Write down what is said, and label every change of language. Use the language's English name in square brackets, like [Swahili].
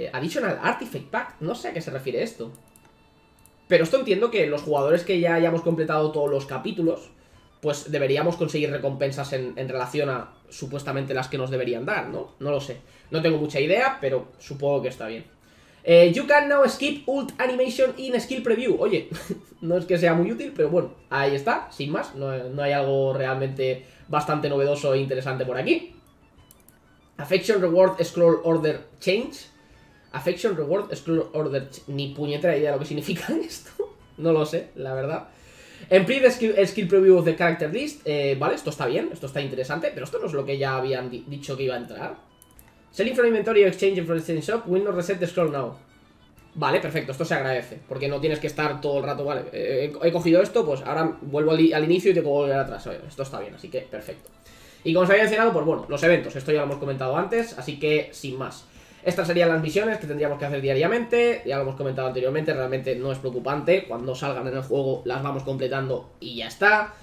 [Spanish] Additional Artifact Pack, no sé a qué se refiere esto. Pero esto entiendo que los jugadores que ya hayamos completado todos los capítulos, pues deberíamos conseguir recompensas en relación a supuestamente las que nos deberían dar, ¿no? No lo sé. No tengo mucha idea, pero supongo que está bien. [English] You can now skip ult animation in skill preview. [Spanish] Oye, no es que sea muy útil, pero bueno, ahí está, sin más. No hay algo realmente bastante novedoso e interesante por aquí. [English] Affection reward scroll order change. Affection Reward Scroll Order. [Spanish] Ni puñetera idea de lo que significa esto. No lo sé, la verdad. [English] Improve skill preview of the character list. [Spanish] Vale, esto está bien, esto está interesante. Pero esto no es lo que ya habían dicho que iba a entrar. [English] Selling from inventory or exchange from exchange shop. Windows reset the scroll now. [Spanish] Vale, perfecto, esto se agradece. Porque no tienes que estar todo el rato. Vale, he cogido esto, pues ahora vuelvo al inicio y te puedo volver atrás. Oye, esto está bien, así que perfecto. Y como os había mencionado, pues bueno, los eventos. Esto ya lo hemos comentado antes, así que sin más. Estas serían las misiones que tendríamos que hacer diariamente, ya lo hemos comentado anteriormente, realmente no es preocupante, cuando salgan en el juego las vamos completando y ya está.